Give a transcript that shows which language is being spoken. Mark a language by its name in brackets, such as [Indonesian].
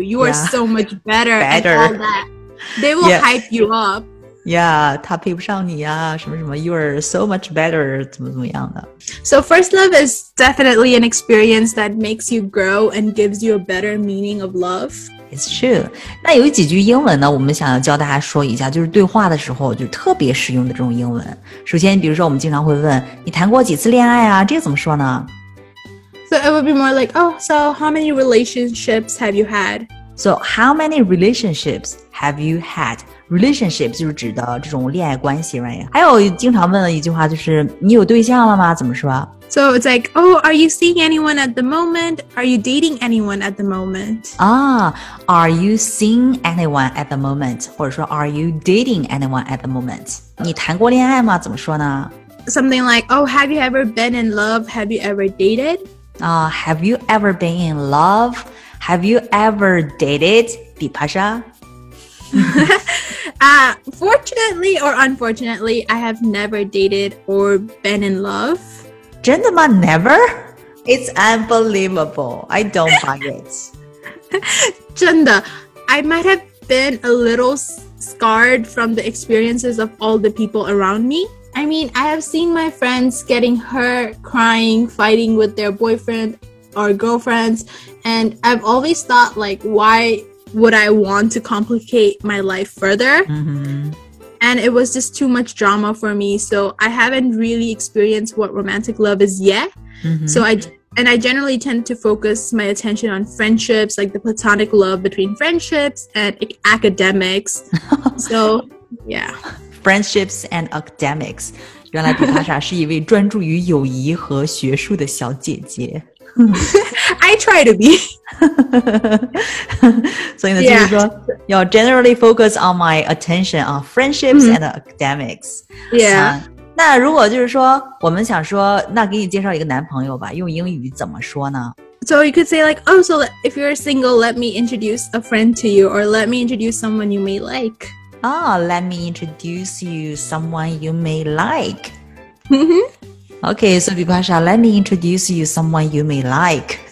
[English] You are so much better. And all that. They will hype you up. [Chinese] Yeah, 他配不上你啊什么什么 [English] you are so much better, [Chinese] 怎么怎么样的。 [English] So first love is definitely an experience that makes you grow and gives you a better meaning of love. It's true. [Chinese] 那有几句英文呢我们想要教大家说一下就是对话的时候就特别实用的这种英文。首先比如说我们经常会问你谈过几次恋爱啊这个怎么说呢 [English] So it would be more like, oh, so how many relationships have you had? So how many relationships have you had? Relationship [Chinese] 就是指的这种恋爱关系 [English] right? [Chinese] 还有经常问的一句话就是你有对象了吗怎么说 [English] So it's like, oh, are you seeing anyone at the moment? Are you dating anyone at the moment? Are you seeing anyone at the moment? [Chinese] 或者说 [English] are you dating anyone at the moment? [Chinese] 你谈过恋爱吗怎么说呢 [English] Something like, oh, have you ever been in love? Have you ever dated? Have you ever been in love? Have you ever dated? Bipasha? fortunately or unfortunately, I have never dated or been in love. [Chinese] 真的吗 [English] Never? It's unbelievable. I don't buy it. [Chinese] 真的 [English] I might have been a little scarred from the experiences of all the people around me. I mean, I have seen my friends getting hurt, crying, fighting with their boyfriend or girlfriends. And I've always thought, like, why... would I want to complicate my life further? And it was just too much drama for me. So I haven't really experienced what romantic love is yet. So I generally tend to focus my attention on friendships, like the platonic love between friendships and academics. So, yeah. Friendships and academics. [Chinese] 原来比帕莎是一位专注于友谊和学术的小姐姐。 [English] I try to be. [Chinese] 所以呢、就是说要 [English] generally focus on my attention on friendships and academics. Yeah. [Chinese] 那如果就是说我们想说那给你介绍一个男朋友吧用英语怎么说呢 [English] So you could say like, oh, so if you're single, let me introduce a friend to you or let me introduce someone you may like. Oh, let me introduce you someone you may like. Okay, so Bipasha, let me introduce you someone you may like.